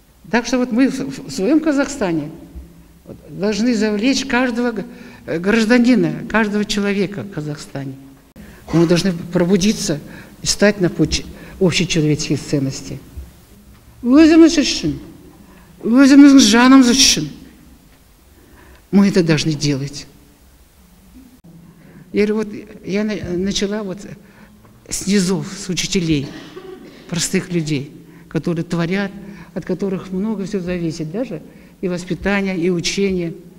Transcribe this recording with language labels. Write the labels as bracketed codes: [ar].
[ru] Так что вот мы в своем Казахстане должны завлечь каждого гражданина, каждого человека в Казахстане. Мы должны пробудиться и стать на путь общечеловеческих ценностей. [kk] Өзіміз үшін, өзіміз жанымыз үшін. [ru] Мы это должны делать. Я начала вот с низов, с учителей. простых людей, которые творят, от которых много все зависит, даже и воспитание, и учение.